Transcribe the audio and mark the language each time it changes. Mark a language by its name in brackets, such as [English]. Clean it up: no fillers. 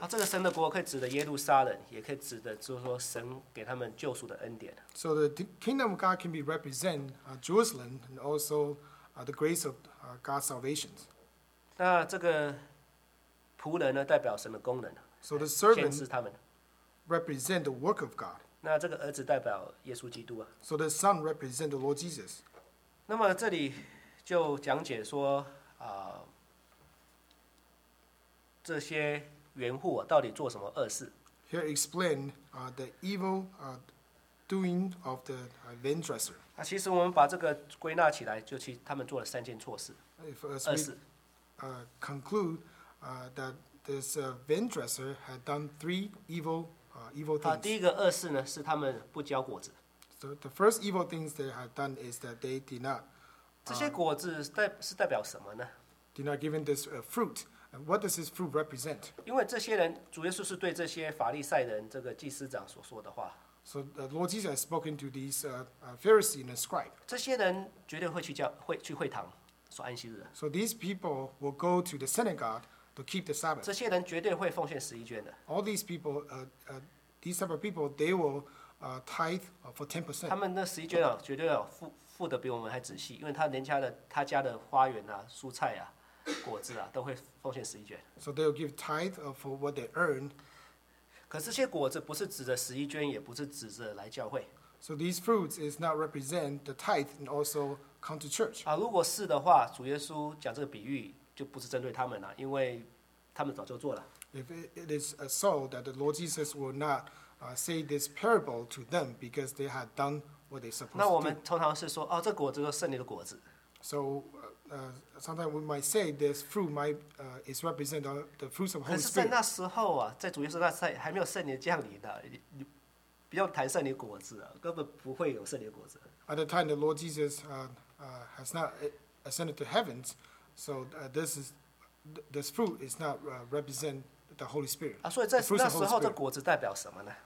[Chinese] 这个神的国可以指的耶路撒冷，也可以指的就是说神给他们救赎的恩典。 [English] So the kingdom of God can be represent Jerusalem and also the grace of God's salvation. [Chinese] 那这个仆人呢，代表神的功能。 [English] So the servant represent the work of God. [Chinese] 那这个儿子代表耶稣基督啊。 [English] So the son represent the Lord Jesus. [Chinese] 那么这里就讲解说这些原户到底做什么恶事。 [English] Here explain the evil doing of the vine dresser. [Chinese] 其实我们把这个归纳起来，就其他们做了三件错事。 [English] If we conclude that this vine dresser had done three evil things. [Chinese] 第一个恶事呢，是他们不交果子。 [English] So the first evil things they had done is that they did not. [Chinese] 这些果子是代表什么呢 [English] ？Did not given this fruit. And what does this fruit represent? [Chinese] 因为这些人，主耶稣是对这些法利赛人这个祭司长所说的话。 [English] So the Lord Jesus has spoken to these Pharisees and the scribe. [Chinese] 这些人绝对会去教会去会堂守安息日。 [English] So these people will go to the synagogue to keep the Sabbath. [Chinese] 这些人绝对会奉献十一捐的。 [English] All these people, these type of people, they will tithe for 10%. [Chinese] 他们那十一捐啊，绝对要付的比我们还仔细，因为他连他家的花园啊、蔬菜啊。果子啊，都会奉献十一捐。 [English] So they'll give tithe for what they earn. [Chinese] 可是这些果子不是指着十一捐，也不是指着来教会。 [English] So these fruits is not represent the tithe and also come to church. [Chinese] 如果是的话，主耶稣讲这个比喻就不是针对他们了，因为他们早就做了。 [English] If it is so that the Lord Jesus will not say this parable to them because they had done what they supposed to do. [Chinese] 那我们通常是说，哦，这果子是圣灵的果子。 [English] So sometimes we might say this fruit might is represent the fruits of Holy Spirit. [Chinese] 可是，在那时候啊，在主耶稣那时还没有圣灵降临的，你不要谈圣灵果子啊，根本不会有圣灵果子。 [English] At the time the Lord Jesus has not ascended to heavens, so this fruit is not represent the Holy Spirit. [Chinese] 所以在那时候的果子代表什么呢